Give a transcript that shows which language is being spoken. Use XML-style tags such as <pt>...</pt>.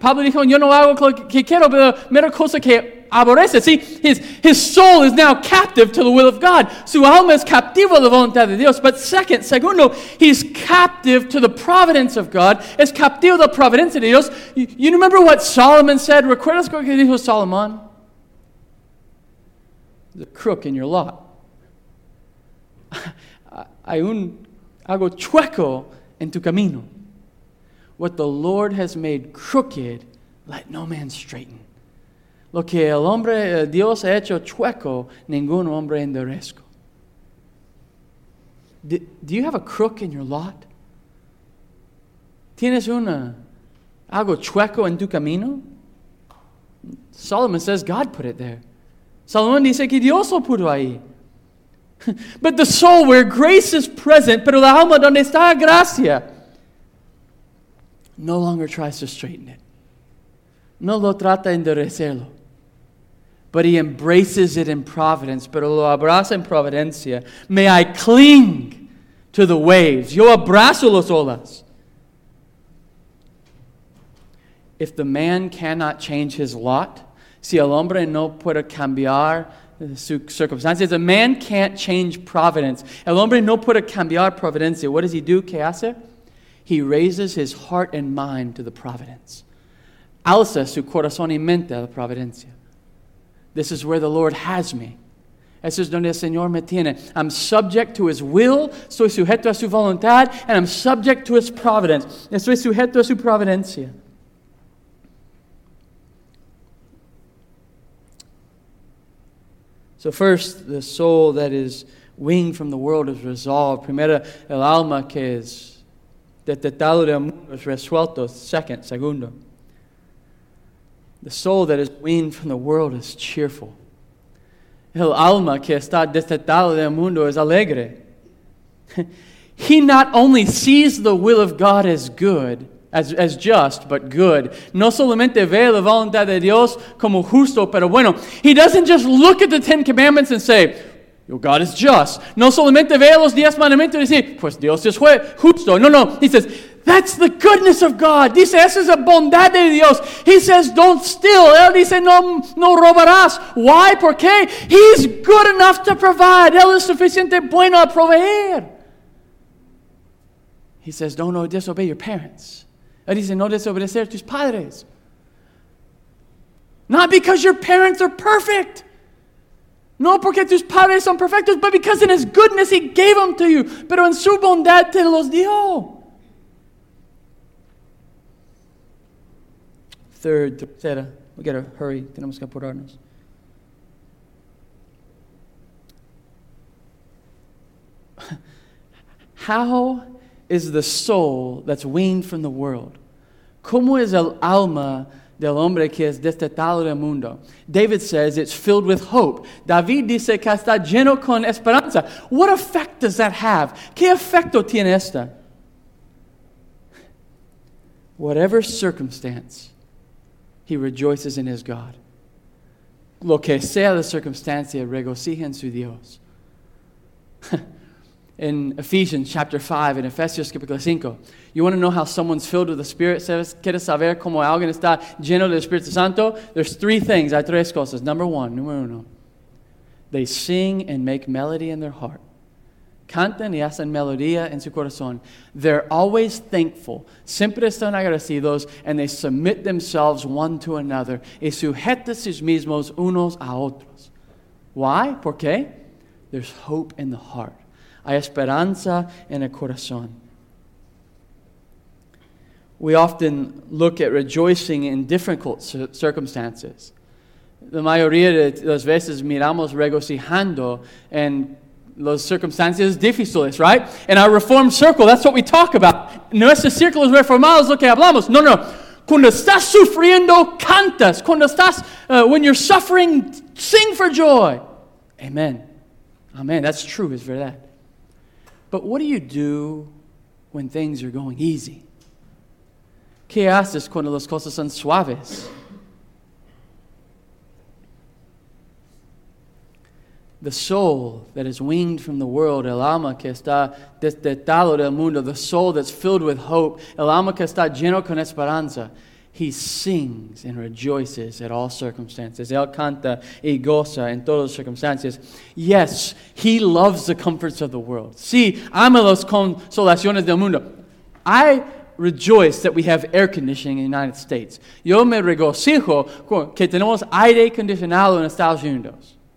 <es>Pablo dijo, yo no hago lo que quiero, pero mera cosa que aborrece.</es> <en>See, his soul is now captive to the will of God.</en> <es>Su alma es captivo de la voluntad de Dios.</es> <en>But segundo, he's captive to the providence of God.</en> <es>Es captivo de la providencia de Dios.</es> <en>You remember what Solomon said?</en> <es>¿Recuerdas lo que dijo Solomon?</es> <en>The crook in your lot.</en> <es>Hay un... Hago chueco en tu camino.</es> <en>What the Lord has made crooked, let no man straighten.</en> <es>Lo que el hombre, Dios ha hecho chueco, ningún hombre enderezco.</es> <en>Do you have a crook in your lot?</en> <es>¿Tienes una? Hago chueco en tu camino?</es> <en>Solomon says God put it there.</en> <es>Solomon dice que Dios lo puso ahí.</es> <en>But the soul where grace is present,</en> <es>pero la alma donde está gracia,</es> <en>no longer tries to straighten it.</en> <es>No lo trata enderezarlo.</es> <en>But he embraces it in providence,</en> <es>pero lo abraza en providencia.</es> <en>May I cling to the waves.</en> <es>Yo abrazo los olas.</es> <en>If the man cannot change his lot,</en> <es>si el hombre no puede cambiar circumstances.</es> <en>A man can't change providence.</en> <es>El hombre no puede cambiar providencia.</es> <en>What does he do?</en> <es>¿Qué hace?</es> <en>He raises his heart and mind to the providence.</en> <es>Alza su corazón y mente a la providencia.</es> <en>This is where the Lord has me.</en> <es>Eso es donde el Señor me tiene.</es> <en>I'm subject to his will.</en> <es>Soy sujeto a su voluntad.</es> <en>And I'm subject to his providence.</en> <es>Estoy sujeto a su providencia.</es> <en>So first, the soul that is weaned from the world is resolved.</en> <es>Primera, el alma que es detetado del mundo es resuelto.</es> <en>Segundo, the soul that is weaned from the world is cheerful.</en> <es>El alma que está detetado del mundo es alegre.</es> <en>He not only sees the will of God as good, as just, but good.</en> <es>No solamente ve la voluntad de Dios como justo, pero bueno.</es> <en>He doesn't just look at the Ten Commandments and say, your God is just.</en> <es>No solamente ve los diez mandamientos y dice, pues Dios es justo. No, no.</es> <en>He says, that's the goodness of God.</en> <es>Dice, esa es la bondad de Dios.</es> <en>He says, don't steal.</en> <es>Él dice, no robarás.</es> <en>Why?</en> <es>¿Por qué?</es> <en>He's good enough to provide.</en> <es>Él es suficiente bueno a proveer.</es> <en>He says, no, disobey your parents.</en> <es>Él dice, no desobedecer tus padres.</es> <en>Not because your parents are perfect.</en> <es>No porque tus padres son perfectos,</es> <en>but because in his goodness he gave them to you.</en> <es>Pero en su bondad te los dio.</es> <en>Third, tercera. We gotta hurry.</en> <es>Tenemos que apurarnos.</es> <en>How is the soul that's weaned from the world?</en> <es>¿Cómo es el alma del hombre que es destetado del mundo?</es> <en>David says it's filled with hope.</en> <es>David dice que está lleno con esperanza.</es> <en>What effect does that have?</en> <es>¿Qué efecto tiene esta?</es> <en>Whatever circumstance, he rejoices in his God.</en> <es>Lo que sea la circunstancia, regocija en su Dios.</es> <en>In Ephesians chapter 5, in Ephesians capítulo 5, you want to know how someone's filled with the Spirit?</en> <es>¿Quieres saber cómo alguien está lleno del Espíritu Santo?</es> <en>There's three things.</en> <es>Hay tres cosas.</es> <en>Number one,</en> <es>número uno.</es> <en>They sing and make melody in their heart.</en> <es>Cantan y hacen melodía en su corazón.</es> <en>They're always thankful.</en> <es>Siempre están agradecidos,</es> <en>and they submit themselves one to another.</en> <es>Y sujetan sus mismos unos a otros.</es> <en>Why? ¿Por qué? There's hope in the heart.</en> <es>Hay esperanza en el corazón.</es> <en>We often look at rejoicing in difficult circumstances.</en> <es>La mayoría de las veces miramos regocijando en las circunstancias difíciles, right?</es> <en>In our reformed circle, that's what we talk about.</en> <es>Nuestro círculo reformado es lo que hablamos. No. Cuando estás sufriendo, cantas. Cuando estás,</es> <en>when you're suffering, sing for joy. Amen. That's true,</en> <es>es verdad.</es> <en>But what do you do when things are going easy?</en> <es>¿Qué haces cuando las cosas son suaves?</es> <en>The soul that is weaned from the world,</en> <es>el alma que está destetado del mundo,</es> <en>the soul that's filled with hope,</en> <es>el alma que está lleno con esperanza,</es> <en>he sings and rejoices at all circumstances.</en> <es>Él canta y goza en todas las circunstancias.</es> <en>Yes, he loves the comforts of the world.</en> <es>Sí, ama las consolaciones del mundo.</es> <en>I rejoice that we have air conditioning in the United States.</en> <es>Yo me regocijo que tenemos aire acondicionado en Estados Unidos.</es>